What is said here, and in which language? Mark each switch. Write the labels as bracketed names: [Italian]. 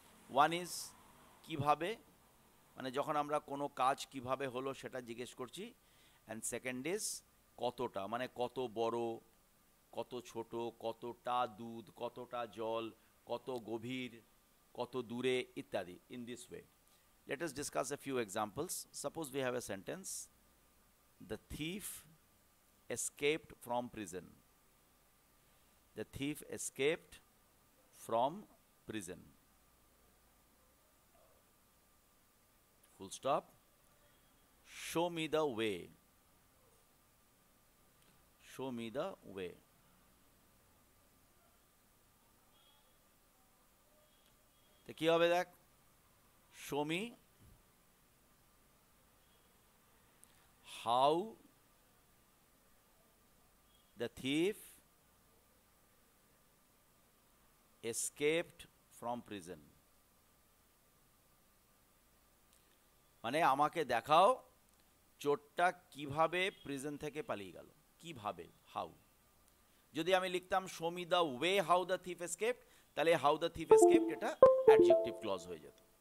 [English] one is [Bangla] কীভাবে, মানে যখন আমরা কোনো কাজ কীভাবে হলো সেটা জিজ্ঞেস করছি, [English] and second is [Bangla] কতটা, মানে কত বড়, কত ছোট, কতটা দুধ, কতটা জল, কত গভীর, কত দূরে, ইত্যাদি [English] In this way. Let us discuss a few examples. Suppose we have a sentence, the thief escaped from prison. The thief escaped from prison. Full stop. Show me the way. Show me the way. The key of that, show me how the thief escaped from prison. [Bangla] মানে আমাকে দেখাও চোরটা কিভাবে prison থেকে পালিয়ে গেল, কিভাবে, how. যদি আমি লিখতাম [English] show me the way how the thief escaped, [Bangla] তাহলে [English] how the thief escaped [Bangla] এটা অ্যাডজেক্টিভ ক্লজ হয়ে যেত।